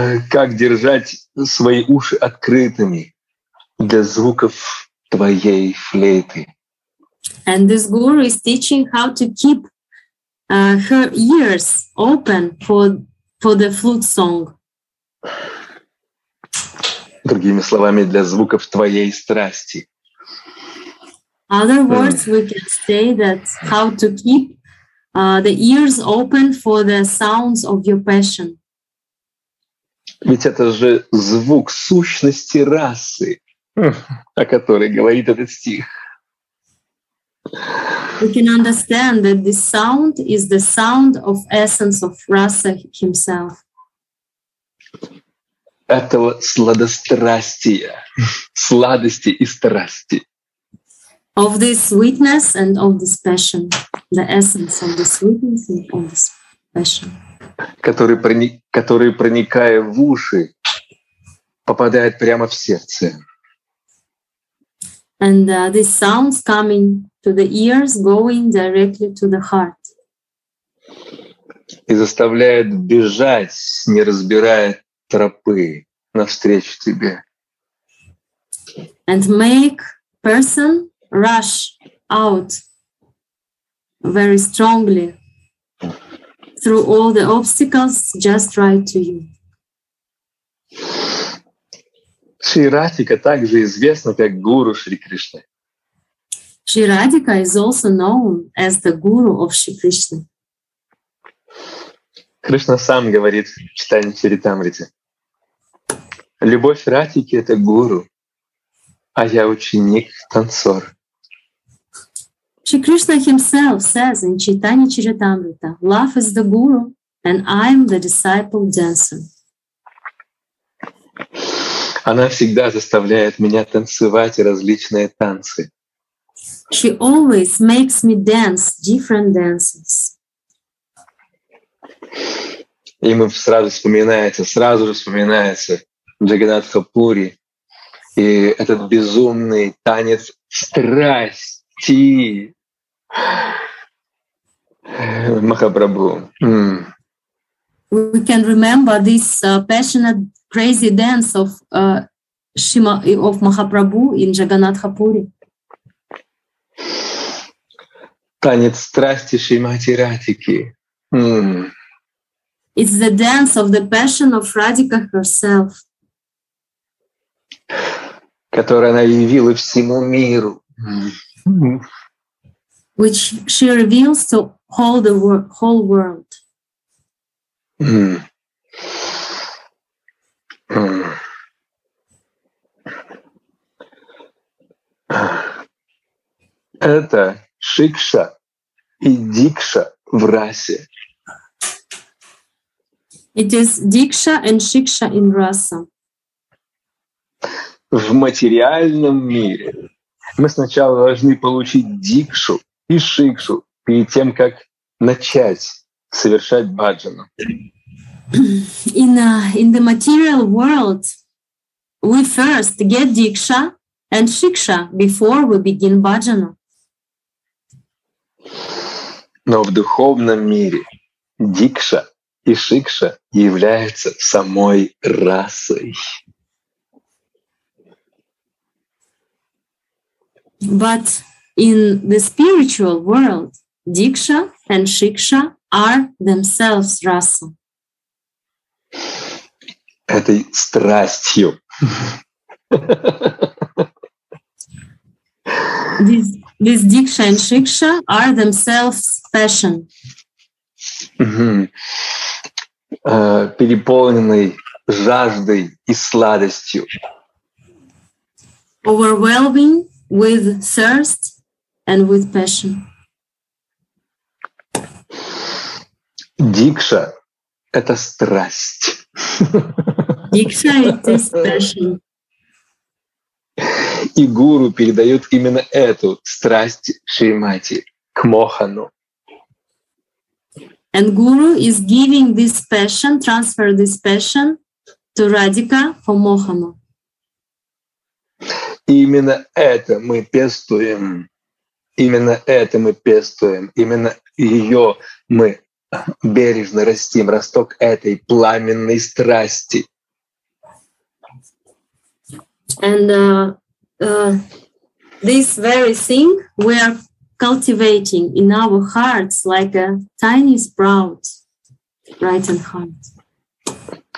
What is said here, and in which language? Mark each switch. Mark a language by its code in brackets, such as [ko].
[ru] Как держать свои уши открытыми для звуков твоей флейты? [en] And this guru is teaching how to keep her ears open for the flute song. [ru] Другими словами, для звуков твоей страсти. [en] Other words we can say that how to keep the ears open for the sounds of your passion. [ru] Ведь это же звук сущности расы, о которой говорит этот стих. [en] We can understand that this sound is the sound of essence of Rasa himself. [ru] Этого сладострастия, сладости и страсти. [en] Of this sweetness and of this passion, the essence of this sweetness and of this passion. [ru] Который, проникая в уши, попадает прямо в сердце. [en] And these sounds coming to the ears, going directly to the heart. [ru] И заставляет бежать, не разбирая тропы, навстречу тебе. [en] And make person rush out very strongly through all the obstacles just right to you. [ru] Шри Радика также известна как гуру Шри Кришны. [en] Шри Радика is also known as the guru of Шри Кришны. [ru] Кришна сам говорит в читании Чаритамриты. Любовь Радики — это гуру, а я ученик, танцор. [en] Шри Кришна himself says in Chaitanya Charitamrita, love is the guru and I am the disciple dancer. [ru] Она всегда заставляет меня танцевать различные танцы. [en] She always makes me dance different dances. [ru] И мы сразу же вспоминается Джаганнатха Пури и этот безумный танец страсти Махапрабху. [en] We can remember this passionate, crazy dance of of Mahaprabhu in Jagannatha Puri. [ru] Танец страсти Шримати Радхики. [en] It's the dance of the passion of Radhika herself. [ru] Которую она явила всему миру. [en] Which she reveals to all the whole world. [ru] Это шикша и дикша в расе. [en] It is diksha and shiksha in rasa. [ru] В материальном мире мы сначала должны получить дикшу и шикшу перед тем, как начать совершать баджану. [en] In the material world, we first get diksha and shiksha before we begin bhajana. [ru] Но в духовном мире дикша и шикша являются самой расой. [en] But in the spiritual world, diksha and shiksha are themselves rasa. [ru] Этой страстью. [en] These diksha and shiksha are themselves passion. [ru] Переполненной жаждой и сладостью. [en] Overwhelming with thirst and with passion. [ru] Дикша — это страсть. Дикша — это страсть. И гуру передает именно эту страсть Шримати к Мохану. [en] And guru is giving this passion, transfer this passion to Radhika for Mohana. [ru] Именно это мы пестуем. Именно это мы пестуем. Именно ее мы бережно растим, росток этой пламенной страсти. [en] And this very thing we are cultivating in our hearts like a tiny sprout, right in heart.